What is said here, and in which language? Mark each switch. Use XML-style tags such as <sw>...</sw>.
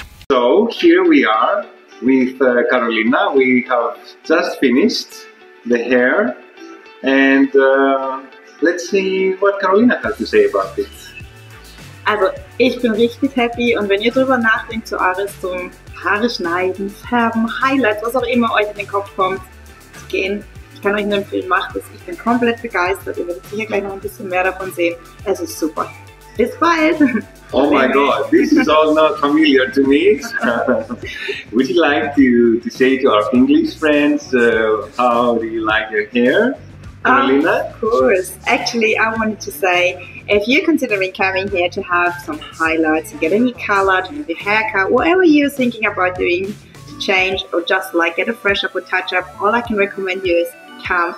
<en>So, here we are. With Carolina, we have just finished the hair, and let's see what Carolina has to say about it.</en> <de>Also, ich bin richtig happy, und wenn ihr drüber nachdenkt, zu Aris, zum Haare schneiden, färben, Highlights, was auch immer euch in den Kopf kommt, zu gehen, ich kann euch nur empfehlen, macht es. Ich bin komplett begeistert, ihr werdet sicher gleich noch ein bisschen mehr davon sehen. Es ist super. Bis bald!</de> <en>Oh my god, this is all not familiar to me. Would you like to say to our English friends how do you like your hair, Carolina? Of course. Actually, I wanted to say, if you're considering coming here to have some highlights, to get any color, to have your haircut, whatever you're thinking about doing to change or just like get a fresh up or touch up, all I can recommend you is come.</en>